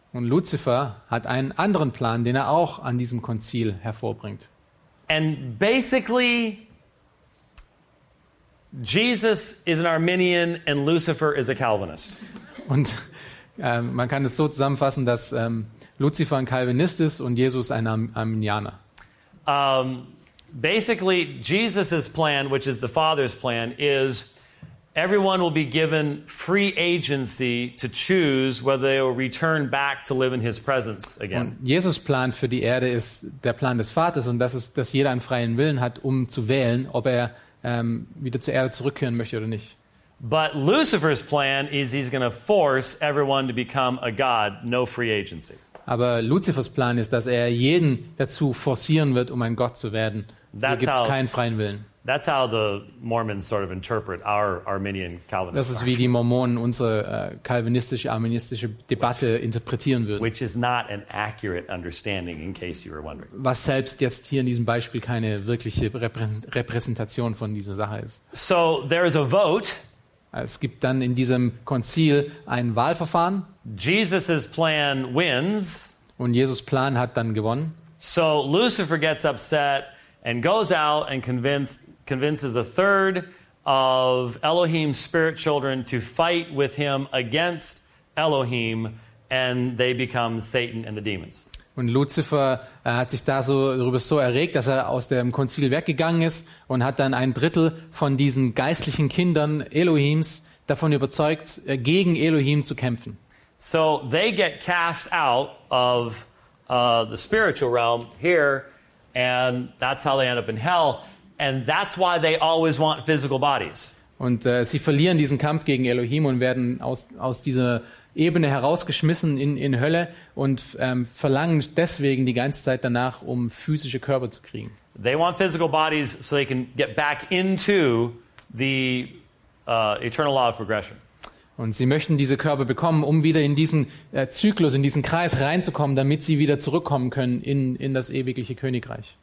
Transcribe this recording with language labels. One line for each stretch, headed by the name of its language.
German: Und Lucifer hat einen anderen Plan, den er auch an diesem Konzil hervorbringt.
English: And basically Jesus is an Arminian and Lucifer is a Calvinist.
German: Und man kann es so zusammenfassen, dass Lucifer ein Calvinist ist und Jesus ein Arminianer.
English: Basically Jesus's plan, which is the Father's plan, is everyone will be given free agency to choose whether they will return back to live in his presence again.
German: Und Jesus Plan für die Erde ist der Plan des Vaters und das ist, dass jeder einen freien Willen hat, um zu wählen, ob er wieder zur Erde zurückkehren möchte oder nicht.
English: But Lucifer's plan is he's going to force everyone to become a god, no free agency.
German: Aber Lucifers Plan ist, dass er jeden dazu forcieren wird, um ein Gott zu werden. Hier gibt's keinen freien Willen.
English: That's how the Mormons sort of interpret our Arminian Calvinist.
German: Das ist wie die Mormonen unsere calvinistische arministische Debatte interpretieren würden.
English: Which is not an accurate understanding, in case you were wondering.
German: Was selbst jetzt hier in diesem Beispiel keine wirkliche Repräsentation von dieser Sache ist.
English: So there is a vote.
German: Es gibt dann in diesem Konzil ein Wahlverfahren.
English: Jesus's plan wins.
German: Und Jesus Plan hat dann gewonnen.
English: So Lucifer gets upset and goes out and convinces a third of Elohim's spirit children to fight with him against Elohim, and they become Satan and the demons.
German: Und Lucifer hat sich da so darüber so erregt, dass er aus dem Konzil weggegangen ist und hat dann ein Drittel von diesen geistlichen Kindern Elohims davon überzeugt, gegen Elohim zu kämpfen.
English: So they get cast out of the spiritual realm here. And that's how they end up in hell, and that's why they always want physical bodies.
German: Und sie verlieren diesen Kampf gegen Elohim und werden aus dieser Ebene herausgeschmissen in Hölle und verlangen deswegen die ganze Zeit danach, um physische Körper zu kriegen.
English: They want physical bodies so they can get back into the eternal law of progression.
German: Und sie möchten diese Körper bekommen, um wieder in diesen Zyklus, in diesen Kreis reinzukommen, damit sie wieder zurückkommen können in das ewige Königreich.